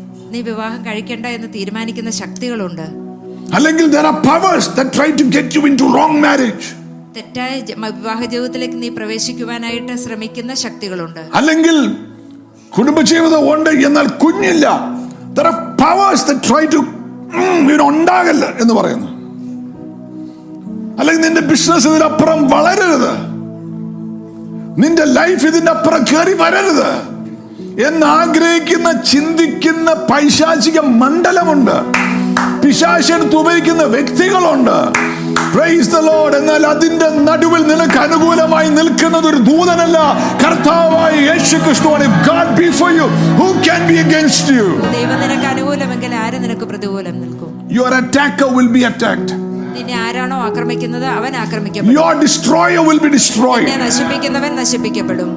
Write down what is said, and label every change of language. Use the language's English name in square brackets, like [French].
[Malayalam] നീ വിവാഹം കഴിക്കണ്ട എന്ന് തീരുമാനിക്കുന്ന ശക്തികളുണ്ട്. [English] അല്ലെങ്കിൽ there are powers that try to get you into wrong marriage. [Malayalam] തെറ്റായ വിവാഹ ജീവിതത്തിലേക്ക് നീ പ്രവേശിക്കുവാനായിട്ട് ശ്രമിക്കുന്ന ശക്തികളുണ്ട്. അല്ലെങ്കിൽ കുടുംബജീവിതം ഉണ്ട് എന്നാൽ കുഞ്ഞില്ല. [English] There are powers that try to [Malayalam] ഇവിടെ ഉണ്ടാകല്ല എന്ന് പറയുന്നു. അല്ലെങ്കിൽ നിന്റെ ബിസിനസ് ഇതിനപ്പുറം വളരരുത്, നിന്റെ ലൈഫ് ഇതിന്റെ അപ്പുറം കയറി വരരുത് എന്നാഗ്രഹിക്കുന്ന ചിന്തിക്കുന്ന പൈശാചിക മണ്ഡലമുണ്ട്, പിശാചെടുത്ത് ഉപയോഗിക്കുന്ന വ്യക്തികളുണ്ട്. [English] Praise the Lord. [Malayalam] എന്നാൽ അതിന്റെ നടുവിൽ നിനക്ക് അനുകൂലമായി നിൽക്കുന്നത് ഒരു ദൂതനല്ല, കർത്താവായ യേശു ക്രിസ്തുവാണ്. [English] If God be for you, who can be against you? [Malayalam] ദൈവം നിനക്ക് അനുകൂലമെങ്കിൽ ആര് നിനക്ക് പ്രതികൂലം നിൽക്കും? [English] Your attacker will be attacked. [Malayalam] നിന്നെ ആരാണോ ആക്രമിക്കുന്നത് അവൻ ആക്രമിക്കപ്പെടും. [English] Your destroyer will be destroyed. [Malayalam] നിന്നെ നശിപ്പിക്കുന്നവൻ നശിപ്പിക്കപ്പെടും.